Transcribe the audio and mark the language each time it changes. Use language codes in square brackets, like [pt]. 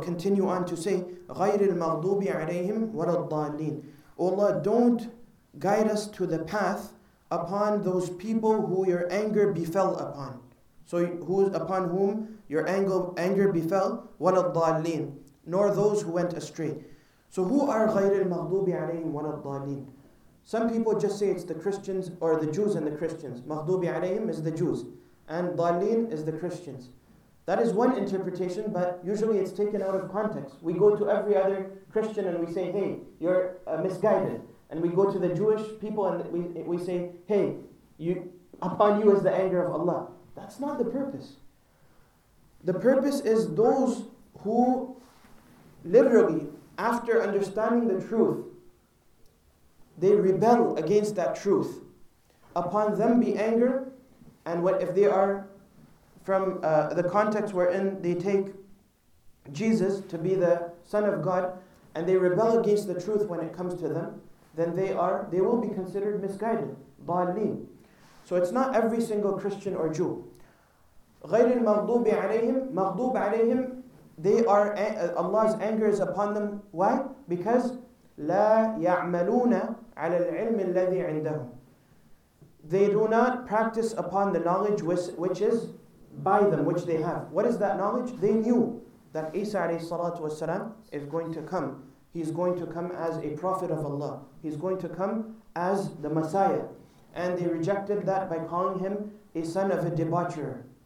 [en] Continue on to say, [ar] غَيْرِ الْمَغْضُوبِ عَلَيْهِمْ وَلَا الضَّالِينَ. [en] O Allah, don't guide us to the path upon those people who your anger befell upon. So upon whom your anger befell, [ar] وَلَا الضَّالِينَ, [en] nor those who went astray. So who are [ar] غير المغضوب عليهم ولا الضالين? [en] Some people just say it's the Christians, or the Jews and the Christians. [ar] مغضوب عليهم [en] is the Jews, and ضالين is the Christians. That is one interpretation, but usually it's taken out of context. We go to every other Christian and we say, hey, you're misguided. And we go to the Jewish people and we say, hey, upon you is the anger of Allah. That's not the purpose. The purpose is those who literally, after understanding the truth, they rebel against that truth. Upon them be anger, and what if they are from the context wherein they take Jesus to be the Son of God, and they rebel against the truth when it comes to them, then they will be considered misguided, ضالين. So it's not every single Christian or Jew. [ar] غير المغضوب عليهم, مغضوب عليهم, [en] they are, Allah's anger is upon them. Why? Because [ar] لا يعملون على العلم الذي عندهم. [en] They do not practice upon the knowledge which is by them, which they have. What is that knowledge? They knew that Isa alayhi salatu wasalam is going to come. He's going to come as a prophet of Allah. He's going to come as the Messiah. And they rejected that by calling him a son of a debaucher.